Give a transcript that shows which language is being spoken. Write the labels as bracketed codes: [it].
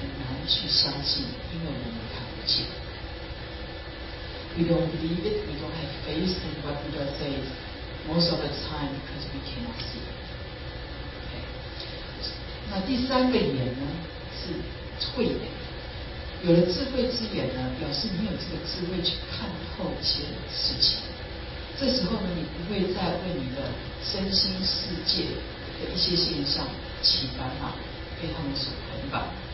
[zh] 那但是有天意的好处就是它会给我们对于佛所教导的东西产生信心，我们会知道说不是只有我们这个地球这个世界，不是只有我们今生今世，我们有过去时、现在时跟未来时，我们还有六道的众生跟十法界，这个是一般人很难去相信，因为我们看不见。 [en] We don't believe it, we don't have faith in what Buddha says most of the time because we cannot see it. Okay. [zh] 那第三个眼呢是慧眼，有了智慧之眼呢，表示你有这个智慧去看透一些事情，这时候呢，你不会再为你的身心世界的一些现象起烦恼，被他们所捆绑。